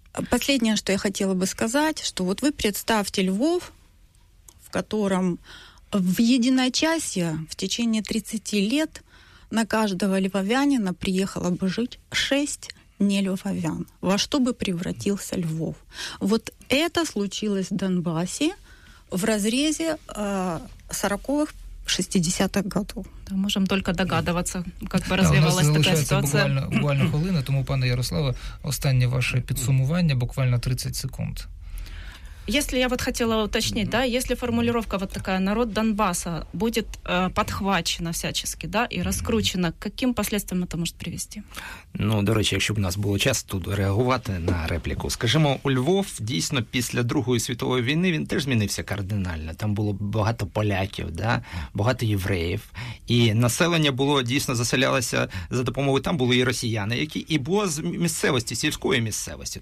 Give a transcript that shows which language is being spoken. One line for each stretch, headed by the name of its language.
Russian: Последнее, что я хотела бы сказать, что вот вы представьте Львов, в котором в единочасье в течение 30 лет на каждого львовянина приехало бы жить 6 нелвовян. Во что бы превратился Львов? Вот это случилось в Донбассе в разрезе 40-х, 60-х годов. Да, можем только догадываться, как бы развивалась такая ситуация.
Ukrainian: У нас залишається буквально хвилина, тому, пане Ярославе, останнє ваше підсумування, буквально 30 секунд.
Russian: Если я вот хотела уточнить, да, если формулировка вот такая, народ Донбасса будет подхвачена всячески, да, и раскручена, каким последствиям это может привести?
Ukrainian: Ну, до речі, якщо б у нас було час тут реагувати на репліку. Скажімо, у Львов дійсно після Другої світової війни він теж змінився кардинально. Там було багато поляків, да, багато євреїв, і населення було дійсно заселялося за допомогою, там були і росіяни, які, і було з місцевості, сільської місцевості.